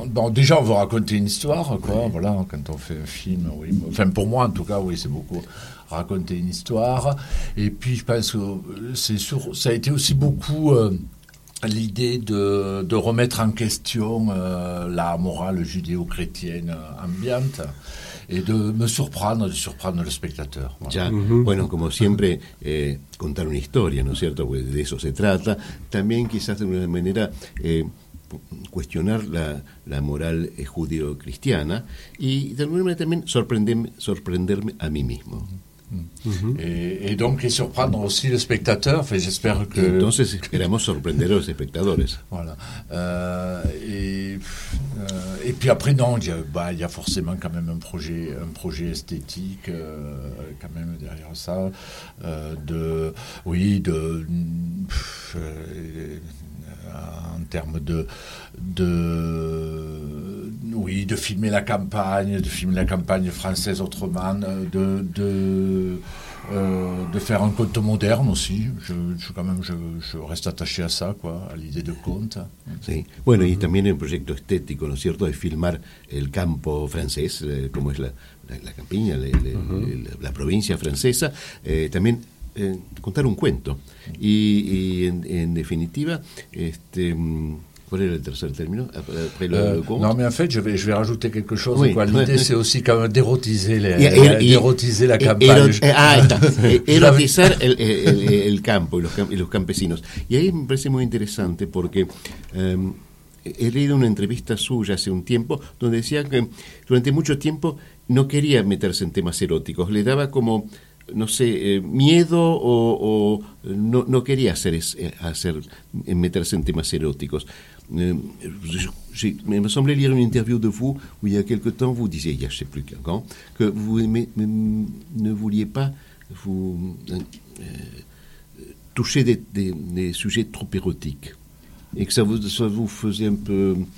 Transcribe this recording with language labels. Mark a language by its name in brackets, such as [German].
[French] Déjà, on veut raconter une histoire, quoi. Oui. Voilà, quand on fait un film, oui. Enfin, pour moi, en tout cas, oui, c'est beaucoup raconter une histoire. Et puis, je pense que ça a été aussi beaucoup l'idée de remettre en question la morale judéo-chrétienne ambiante. [Spanish] Y de surprendre al espectador. Bueno. Ya, uh-huh. Bueno, como siempre, contar una historia, ¿no es cierto? Pues de eso se trata. También quizás de una manera cuestionar la moral judío-cristiana y de alguna manera también sorprenderme a mí mismo. Uh-huh. [French] Y surprendre aussi le spectateur, enfin, j'espère que... [Spanish] Entonces esperamos sorprender a los espectadores. [French] Voilà. Et puis après, non, il y a forcément quand même un projet esthétique quand même derrière ça. En termes de filmer la campagne, française autrement, de faire un conte moderne aussi. Je reste attaché à ça, quoi, à l'idée de conte. [Spanish] Sí. Bueno, y también un proyecto estético, ¿no es cierto?, de filmar el campo francés, como es la campiña, la provincia francesa, también contar un cuento. Y en definitiva, ¿cuál era el tercer término? [French] Je vais rajouter quelque chose. Oui. Quoi, l'idée, c'est aussi quand même d'érotiser la campagne. [Spanish] Érotiser el campo y los campesinos. Y ahí me parece muy interesante porque he leído una entrevista suya hace un tiempo donde decía que durante mucho tiempo no quería meterse en temas eróticos. Le daba como, no sé, miedo o no quería hacer meterse en temas eróticos. [French] Il me semblait lire une interview de vous où il y a quelque temps vous disiez, il y a je sais plus quand, que vous ne vouliez pas vous toucher des sujets trop érotiques. et que ça vous faisait un peu...